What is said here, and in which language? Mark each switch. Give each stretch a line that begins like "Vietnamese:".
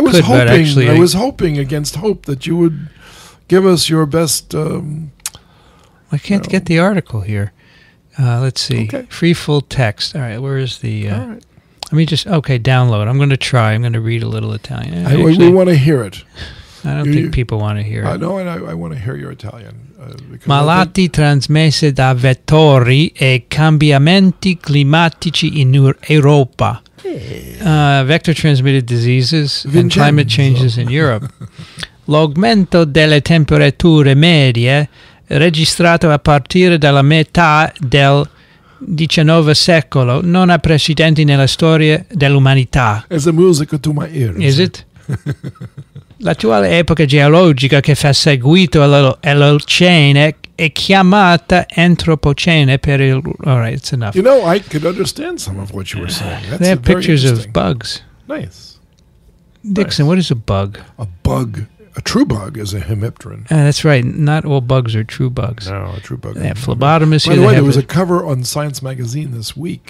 English: was hoping against hope that you would give us your best... I can't get the article here. Let's see. Okay. Free full text. All right, where is the... All right. Let me just... Okay, download. I'm going to try. I'm going to read a little Italian. We want to hear it. I don't think people want to hear it. No, I want to hear your Italian.
Italian: Malati trasmesse da vettori e cambiamenti climatici in Europa.
English: Vector transmitted diseases and climate changes in Europe.
Italian: L'aumento delle temperature medie... registrato a partire dalla metà del XIX secolo, non ha precedenti nella storia dell'umanità.
English: It's a music to my ears. Is it?
Italian: L'attuale epoca geologica che fa seguito all'Olocene è chiamata Antropocene per il...
English: All right, it's enough. You know, I could understand some of what you were saying. That's they have pictures of bugs. Nice. Dickson, what is a bug? A bug... A true bug is a hemipteran. That's right. Not all bugs are true bugs. No, a true bug. Yeah, phlebotomist. By the way, there was a cover on Science Magazine this week.